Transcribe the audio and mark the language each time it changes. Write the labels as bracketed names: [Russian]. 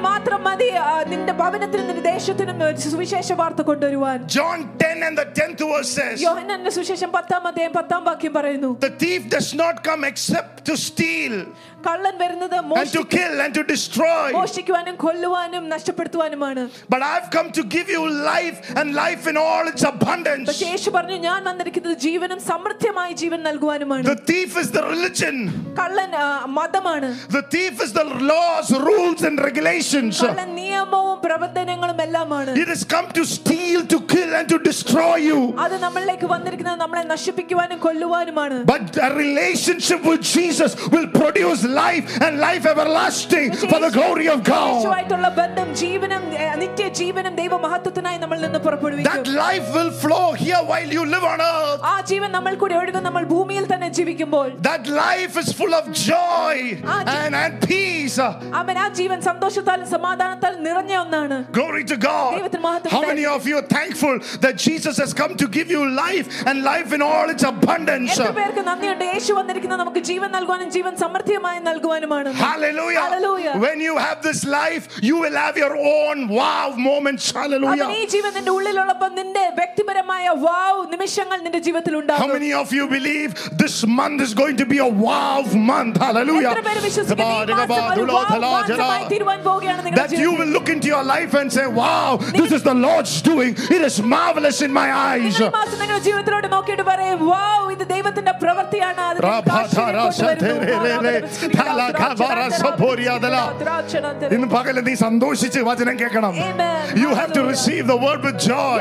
[Malayalam] മാത്രം മതി നിന്റെ ഭവനത്തിൽ നിന്റെ ദേശത്തിനും സുവിശേഷ വാർത്ത കൊണ്ടുവരുവാൻ. [English] John 10 and the 10th verse. [Malayalam] യോഹന്നാന്റെ സുവിശേഷം 10ാം അധ്യായം 10ാം വാക്യം പറയുന്നു. [English] The thief does not come except to steal. [Malayalam] കള്ളൻ വരുന്നത് മോഷ്ടിക്കുവാനും കൊല്ലുവാനും നശിപ്പിക്കുവാനുമാണ്. [English] But I have come to give you life and life in all its abundance. [Malayalam] പക്ഷേ യേശു പറഞ്ഞു, ഞാൻ വന്നിരിക്കുന്നത് ജീവനും സമൃദ്ധമായ ജീവൻ നൽകുവാനുമാണ്. [English] The thief is the religion. [Malayalam] കള്ളൻ മതമാണ്. [English] The thief is the laws, rules and regulations. [Malayalam] കള്ളൻ നിയമവും പ്രവർത്തനങ്ങളും എല്ലാമാണ്. [English] He has come to steal, to kill and to destroy you. [Malayalam] അത് നമ്മളിലേക്ക് വന്നിരിക്കുന്നത് നമ്മളെ നശിപ്പിക്കുവാനും കൊല്ലുവാനുമാണ്. [English] But a relationship with Jesus will produce life and life everlasting for the glory of God. [Malayalam] ശൈതുള്ള ബന്ധം ജീവനും നിത്യ ജീവനും ദൈവമഹത്വത്തിനായി നമ്മൾ നിന്ന് പുറപ്പെടുവിക്കും. [English] That life will flow here while you live on earth. [Malayalam] ആ ജീവൻ നമ്മൾ കൂടി ഒഴുകും നമ്മൾ ഭൂമിയിൽ തന്നെ ജീവിക്കുമ്പോൾ. [English] That life is full of joy and peace. [Malayalam] അമേൻ. ആ ജീവൻ സന്തോഷത്താലും സമാധാനത്താലും നിറഞ്ഞ ഒന്നാണ്. [English] Glory to God. [Malayalam] ദൈവത്തിന് മഹത്വം. [English] How many of you are thankful that Jesus has come to give you life and life in all its abundance? [Malayalam] എത്ര പേർക്ക് നന്ദിയുണ്ട്, യേശു വന്നിരിക്കുന്നു നമുക്ക് ജീവൻ നൽകുവാനും ജീവൻ സമൃദ്ധി. [English] Hallelujah. Hallelujah. When you have this life, you will have your own wow moments. Hallelujah. [Malayalam] അതിനെ ജീവന്റെ ഉള്ളിലുള്ളപ്പോൾ നിന്റെ വ്യക്തിപരമായ വൗ നിമിഷങ്ങൾ നിന്റെ ജീവിതത്തിൽ ഉണ്ടാകും. [English] How many of you believe this month is going to be a wow month? Hallelujah. That you will look into your life and say, wow, this is the Lord's doing. It is marvelous in my eyes. [Malayalam] നിങ്ങളുടെ ജീവിതത്തിലോട്ട് നോക്കിയിട്ട് പറയും, wow, ഇത് ദൈവത്തിന്റെ പ്രവൃത്തിയാണ്. ഇന്ന് പകല് നീ സന്തോഷിച്ച് വചനം കേൾക്കണം. [English] You have to receive the word with joy.